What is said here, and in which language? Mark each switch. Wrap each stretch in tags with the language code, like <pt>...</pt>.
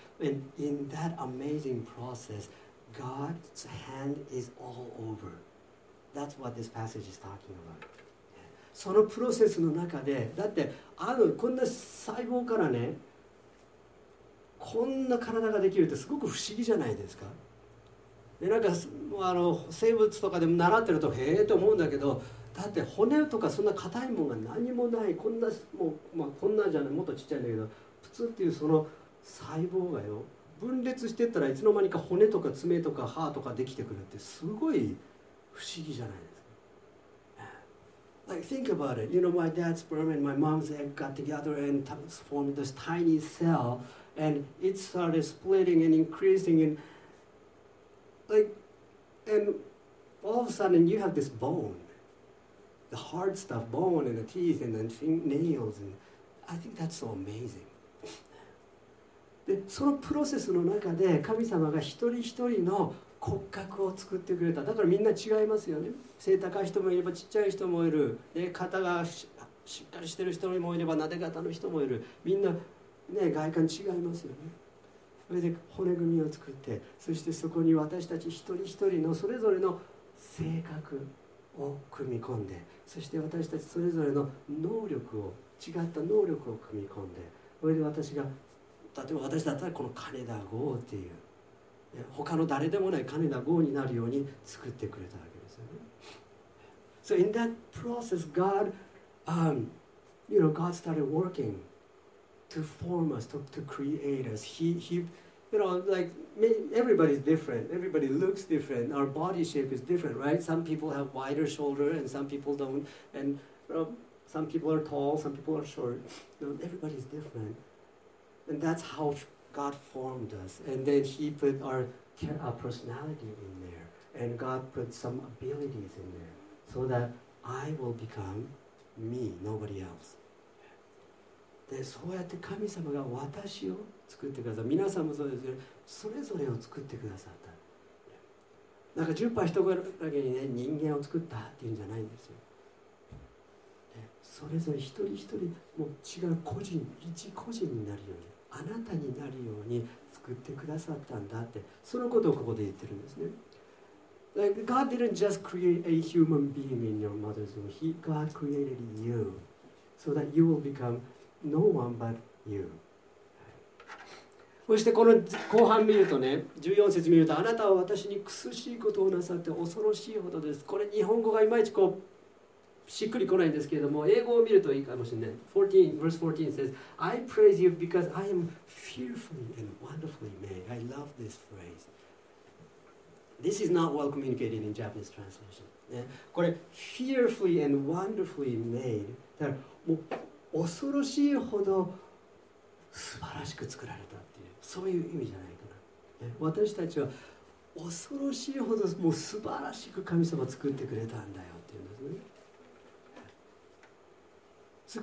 <en>And in that amazing process, God's hand is all over. That's what this passage is talking about.</en> <ja>そのプロセスの中で、だってあのこんな細胞からね、こんな体ができるってすごく不思議じゃないですか。でなんかあの生物とかでも習ってるとへえと思うんだけど、だって骨とかそんな硬いものが何もない、こんなもう、まあ、こんなじゃない、もっとちっちゃいんだけど、プツっていうその細胞がよ、分裂してったらいつの間にか骨とか爪とか歯とかできてくるってすごい不思議じゃないですか。</ja> <en>Like, think about it. You know, my dad's sperm and my mom's egg got together and formed this tiny cell, and it started splitting and increasing. And, like, and all of a sudden, you have this bone, the hard stuff, bone and the teeth and the nails. And I think that's so amazing.</en> <ja>で、そのプロセスの中で神様が一人一人の骨格を作ってくれた。だからみんな違いますよね。背高い人もいれば、ちっちゃい人もいる。で、肩が しっかりしてる人もいれば、なで肩の人もいる。みんな、ね、外観違いますよね。それで骨組みを作って、そしてそこに私たち一人一人のそれぞれの性格を組み込んで、そして私たちそれぞれの能力を、違った能力を組み込んで、それで私が、例えば私だったらこの金田剛っていう、他の誰でもない金田剛になるように作ってくれたわけですよね。</ja> <en>So in that process, God, you know, God started working to form us, to create us. He, you know, like, everybody's different. Everybody looks different. Our body shape is different, right? Some people have wider shoulder and some people don't. And you know, some people are tall, some people are short. You know, everybody's different. And that's howGod formed us, and then He put our personality in there, and God put some abilities in there, so that I will become me, nobody else.</en> <ja>で、そうやって神様が私を作ってくださった。皆さんもそうですよ。それぞれを作ってくださった。なんか十パー人ぐらいにね、人間を作ったっていうんじゃないんですよ。で、それぞれ一人一人、もう違う個人、一個人になるように。あなたになるように作ってくださったんだって、そのことをここで言ってるんですね。</ja> <en>Like, God didn't just create a human being in your mother's womb. He, God created you so that you will become no one but you.</en> <ja>そしてこの後半見るとね、14節見ると、あなたは私に苦しいことをなさって恐ろしいほどです。これ日本語がいまいちこう、しっくりこないんですけれども、英語を見るといいかもしれない。</ja> <en>verse 14 says, I praise you because I am fearfully and wonderfully made. I love this phrase. This is not well communicated in Japanese translation.、ね、これ、fearfully and wonderfully made.</en> <ja>だから、もう恐ろしいほど素晴らしく作られたっていう、そういう意味じゃないかな。ね、私たちは恐ろしいほどもう素晴らしく神様作ってくれたんだよって言うんですね。</ja>